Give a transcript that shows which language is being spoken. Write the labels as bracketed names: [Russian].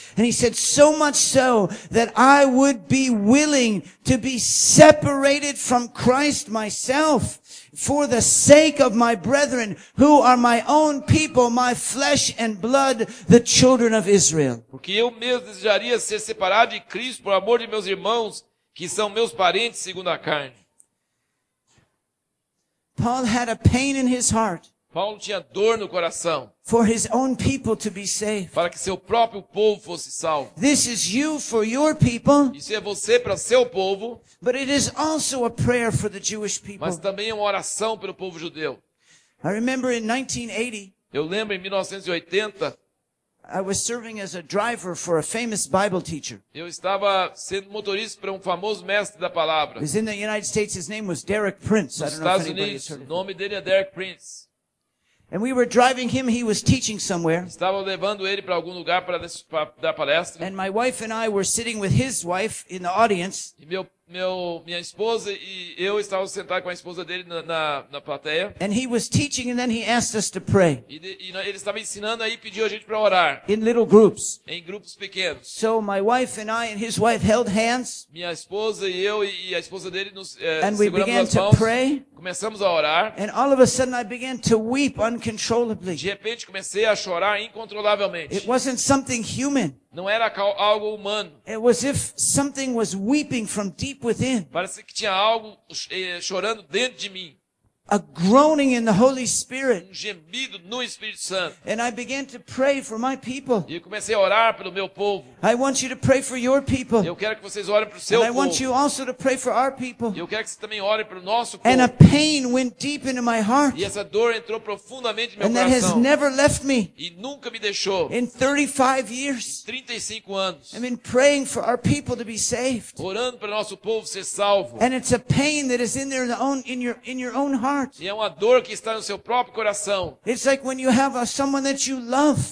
[English] And he said, so much so that I would be willing to be separated from Christ myself for the sake of my brethren who are my own people, my flesh and blood, the children of Israel. [Portuguese] Porque eu mesmo desejaria ser separado de Cristo por amor de meus irmãos que são meus parentes segundo a carne. [English] Paul had a pain in his heart. [Portuguese] Paulo tinha dor no coração. [English] For his own people to be saved. [Portuguese] Para que seu próprio povo fosse salvo. [English] This is you for your people. [Portuguese] Isso é você para seu povo. [English] But it is also a prayer for the Jewish people. [Portuguese] Mas também é uma oração pelo povo judeu. [English] I remember in 1980. [Portuguese] Eu lembro em 1980. [English] I was serving as a driver for a famous Bible teacher. [Portuguese] Eu estava sendo motorista para um famoso mestre da palavra. [English] He's in the United States. His name was Derek Prince. [Portuguese] Nos Estados Unidos, o nome dele é Derek Prince. [English] And we were driving him, he was teaching somewhere. [Portuguese] Estava levando ele para algum lugar para dar palestra. [English] And my wife and I were sitting with his wife in the audience. [Portuguese] E minha esposa e eu estávamos sentados com a esposa dele na plateia. [English] And he was teaching and then he asked us to pray. [Portuguese] E ele estava ensinando aí e pediu a gente para orar. [English] In little groups. [Portuguese] Em grupos pequenos. [English] So my wife and I and his wife held hands. [Portuguese] Minha esposa e eu e a esposa dele nos [English] and we began [Portuguese] as mãos, [English] to pray. [Portuguese] Começamos a orar. [English] And all of a sudden I began to weep uncontrollably. [Portuguese] De repente comecei a chorar incontrolavelmente. [English] It wasn't something human. [Portuguese] Não era algo humano. [English] It was if something was weeping from deep within. [Portuguese] Parece que tinha algo chorando dentro de mim. [English] A groaning in the Holy Spirit. [Portuguese] Um gemido no Espírito Santo. [English] And I began to pray for my people. [Portuguese] E eu comecei a orar pelo meu povo. [English] I want you to pray for your people. [Portuguese] Eu quero que vocês orem pro seu povo. [English] I want you also to pray for our people. [Portuguese] Eu quero que vocês também orem pro nosso povo. [English] And a pain went deep into my heart. [Portuguese] E essa dor entrou profundamente no meu [English] and [Portuguese] coração. [English] That has never left me. [Portuguese] E nunca me deixou. [English] In 35 years. [Portuguese] Em 35 anos. [English] I've been praying for our people to be saved. [Portuguese] Orando para nosso povo ser salvo. [English] And it's a pain that is in there in your own heart. [Portuguese] E é uma dor que está no seu próprio coração. [English] It's like when you have someone that you love.